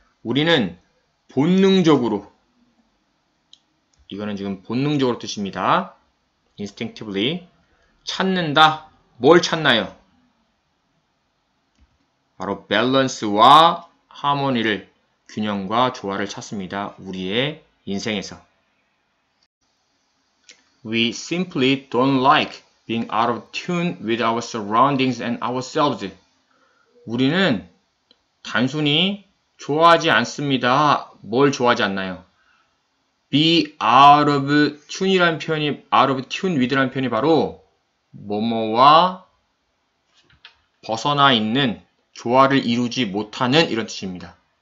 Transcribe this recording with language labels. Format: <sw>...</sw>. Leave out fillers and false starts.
<ko>우리는 본능적으로, 이거는 지금 본능적으로 뜻입니다. Instinctively. 찾는다. 뭘 찾나요? 바로 밸런스와 하모니를, 균형과 조화를 찾습니다. 우리의 인생에서.</ko> <en>We simply don't like being out of tune with our surroundings and ourselves.</en> <ko>우리는 단순히 좋아하지 않습니다. 뭘 좋아하지 않나요? Be out of tune이라는 표현이, out of tune with라는 표현이 바로 뭐뭐와 벗어나 있는 조화를 이루지 못하는 이런 뜻입니다.</ko>